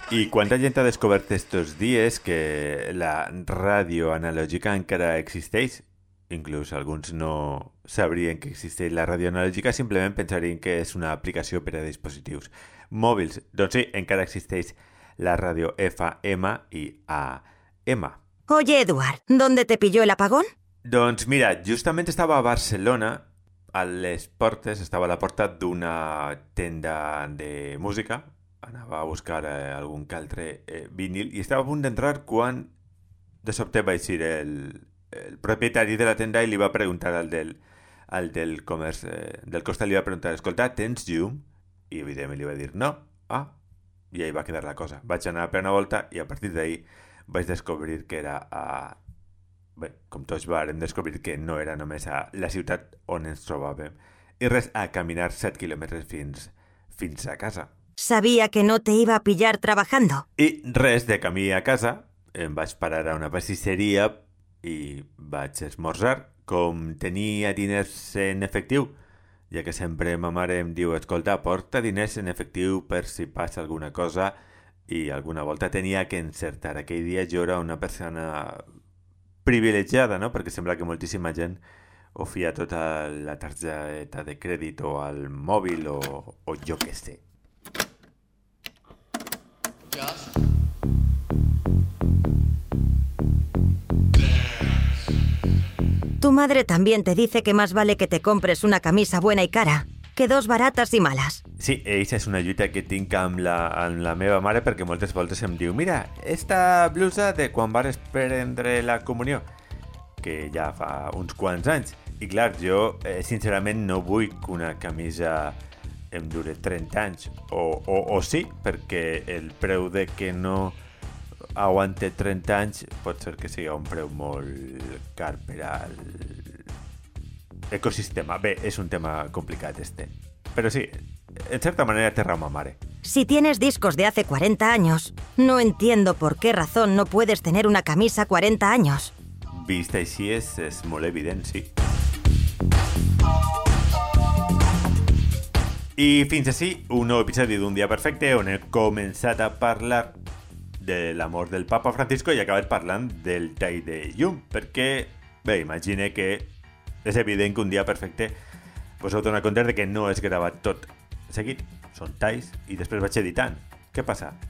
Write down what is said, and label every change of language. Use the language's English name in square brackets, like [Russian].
[Catalan] Quanta gent ha descobert estos dies que la ràdio analògica encara existeix? Inclús alguns no sabrien que existeix la ràdio analògica, simplement pensarien que és una aplicació per a dispositius mòbils. Doncs sí, encara existeix la ràdio FM i AM. [Spanish] Oye, Eduard, ¿dónde te pilló el apagón? [Catalan] Doncs mira, justament estava a Barcelona, a les portes, estava a la porta d'una tenda de música. Anava a buscar algun altre vinil i estava a punt d'entrar quan de sobte va eixir el propietari de la tenda i li va preguntar al del comerç del costat, li va preguntar: escolta, tens llum? I evidentment li va dir no. Ah, i ahí va quedar la cosa. Vaig anar per una volta i a partir d'ahir vaig descobrir que era a... Bé, com tots vàrem descobrir que no era només a la ciutat on ens trobàvem. I res, a caminar 7 quilòmetres fins a casa. [Spanish] Sabía que no te iba a pillar trabajando. [Catalan] I res, de camí a casa, em vaig parar a una pastisseria i vaig esmorzar. Com tenia diners en efectiu, ja que sempre ma mare em diu: escolta, porta diners en efectiu per si passa alguna cosa, i alguna volta tenia que encertar. Aquell dia jo era una persona privilegiada, no? Perquè sembla que moltíssima gent ho fia tot a la targeta de crèdit o al mòbil o jo què sé. [Spanish] Tu madre también te dice que más vale que te compres una camisa buena y cara que dos baratas y malas. Sí, esa es [Catalan] una lluita que tinc amb la meva mare, perquè moltes voltes em diu: mira, esta blusa de quan vas prendre la comunió, que ja fa uns quants anys. I clar, jo sincerament no vull que una camisa em dure 30 anys, o sí, perquè el preu de que no aguante 30 anys pot ser que sigui un preu molt car per al ecosistema. Bé, és un tema complicat este. Però sí, en certa manera té raó ma mare. [Spanish] Si tienes discos de hace 40 años, no entiendo por qué razón no puedes tener una camisa 40 años. [Catalan] Vista així és molt evident, sí. I fins així, un nou episodi d'Un dia perfecte, on he començat a parlar de la mort del Papa Francisco i acabat parlant del tall de llum, perquè, bé, imagine que és evident que Un dia perfecte us heu donat compte que no és gravat tot seguit, són talls, i després vaig editant. Què passa?